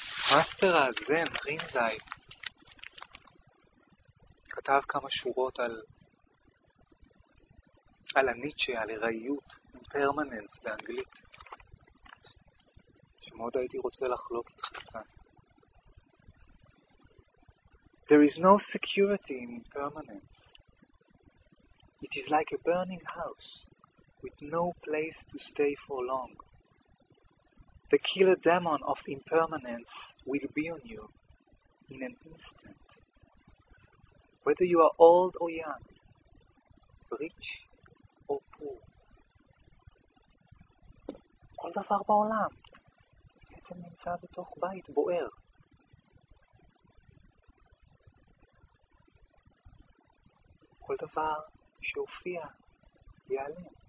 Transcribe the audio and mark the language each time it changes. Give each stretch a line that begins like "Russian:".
Hebrew: המאסטר הזן, רינזאי, כתב כמה שורות על הניטשה, על הרעיות, אימפרמננס באנגלית, שמאוד הייתי רוצה לחלוק את חלקה.
English: There is no security in impermanence. It is like a burning house, with no place to stay for long. The killer demon of impermanence will be on you in an instant. Whether you are old or young, rich or poor.
Hebrew: כל דבר בעולם בעצם נמצא בתוך בית בוער. כל דבר שהופיע ייעלם.